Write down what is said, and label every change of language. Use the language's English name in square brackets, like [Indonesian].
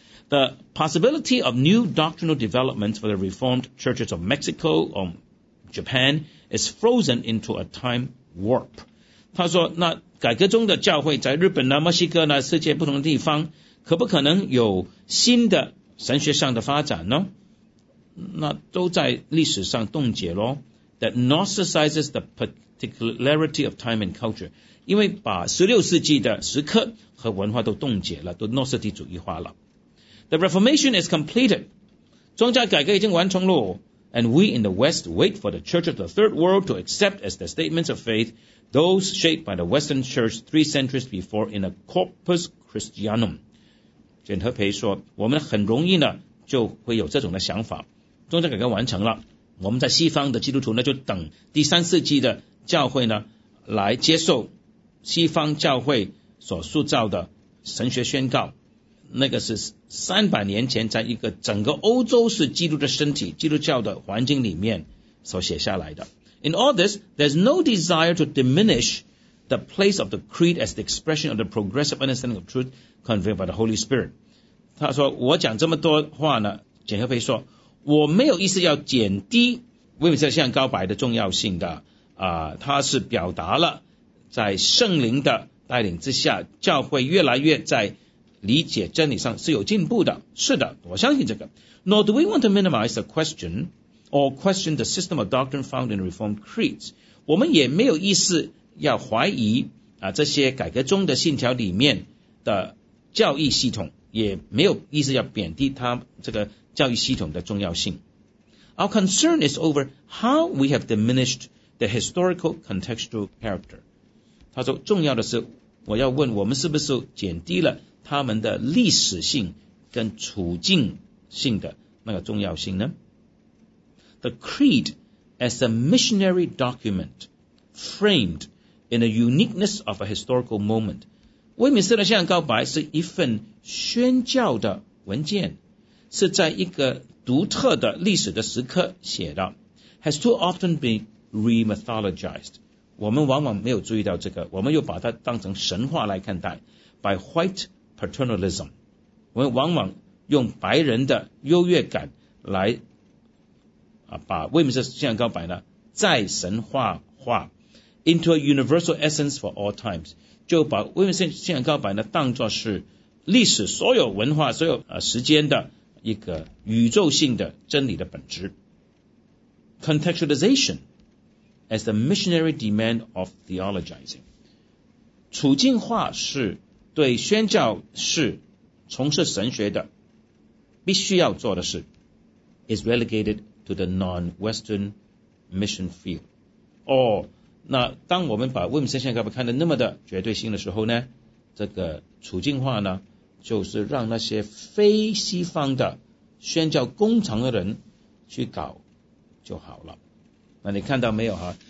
[English] The possibility of new doctrinal developments for the Reformed churches of Mexico or Japan is frozen into a time warp. [Chinese] 他说那改革中的教会在日本啊、墨西哥啊、世界不同的地方可不可能有新的神学上的发展呢？那都在历史上冻结咯。 [English] That Gnosticizes the particularity of time and culture. [Chinese] 因为把16世纪的时刻和文化都冻结了，都诺斯底主义化了。 [English] The Reformation is completed. [Chinese] 宗教改革已经完成了。 [English] And we in the West wait for the Church of the Third World to accept as the statements of faith those shaped by the Western Church 3 centuries before in a Corpus Christianum. [Chinese] 简和培说，我们很容易呢就会有这种的想法。宗教改革完成了，我们在西方的基督徒呢，就等第三世纪的教会呢，来接受西方教会所塑造的神学宣告。那个是300年前在一个整个欧洲是基督的身体，基督教的环境里面所写下来的。 [English] In all this, there's no desire to diminish the place of the creed as the expression of the progressive understanding of truth conveyed by the Holy Spirit. [Chinese] 他说，我讲这么多话呢，简和培说，我没有意思要减低威米斯特向告白的重要性的，他是表达了在圣灵的带领之下，教会越来越在理解真理上是有进步的。是的，我相信这个。 [English] Nor do we want to minimize the question or question the system of doctrine found in Reformed creeds. [Chinese] 我们也没有意思要怀疑啊这些改革中的信条里面的教义系统，也没有意思要贬低它这个教育系统的重要性。 [English] Our concern is over how we have diminished the historical contextual character. [Chinese] 他说，重要的是我要问我们是不是减低了他们的历史性跟处境性的那个重要性呢？ [English] The creed as a missionary document framed in the uniqueness of a historical moment. [Chinese] 威敏斯特向告白是一份宣教的文件，是在一个独特的历史的时刻写的。 [English] Has too often been re-mythologized. [Chinese] 我们往往没有注意到这个，我们又把它当成神话来看待。 [English] By whitepaternalism, [Chinese] 我们往往用白人的优越感来把威米斯特向告白呢再神话化 [English] into a universal essence for all times, [Chinese] 就把威米斯特向告白呢当作是历史所有文化所有时间的一个宇宙性的真理的本质。 [English] Contextualization as the missionary demand of theologizing, [Chinese] 处境化是对宣教士从事神学的必须要做的事 [English] is relegated to the non-Western mission field. [Chinese] 哦，那当我们把威米斯特向告白看得那么的绝对性的时候呢，这个处境化呢，就是让那些非西方的宣教工厂的人去搞就好了。那你看到没有哈？